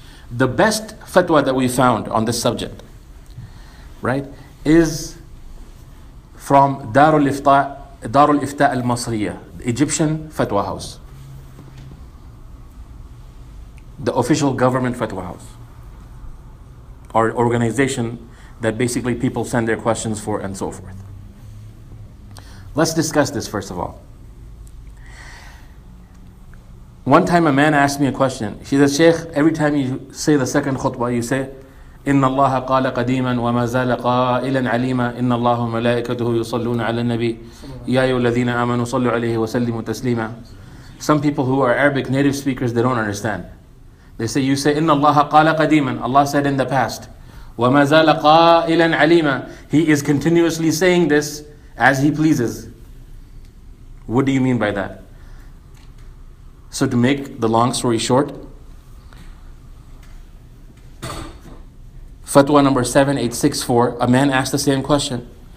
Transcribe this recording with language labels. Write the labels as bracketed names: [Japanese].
[English] The best fatwa that we found on this subject, right, is from Darul Ifta al-Masriya, Egyptian fatwa house, the official government fatwa house, or organization that basically people send their questions for and so forth. Let's discuss this first of all. One time a man asked me a question. He said, Shaykh, every time you say the second khutbah, you say, [Arabic] إِنَّ اللَّهَ قَالَ قَدِيمًا وَمَا زَالَ قَائِلًا عَلِيمًا إِنَّ اللَّهُ مَلَائِكَتُهُ يُصَلُّونَ عَلَى النَّبِيِّ يَا أَيُّهَا الَّذِينَ آمَنُوا صَلُّوا عَلَيْهِ وَسَلِّمُوا تَسْلِيمًا. [English] Some people who are Arabic native speakers, they don't understand. They say, you say, [Arabic] إِنَّ اللَّهَ قَالَ قَدِيمًا, [English] Allah said in the past, [Arabic] وَمَا زَالَ قَائِلًا عَلِيمًا, [English] He is continuously saying this as He pleases. What do you mean by that? So to make the long story short, fatwa number 7864, a man asked the same question.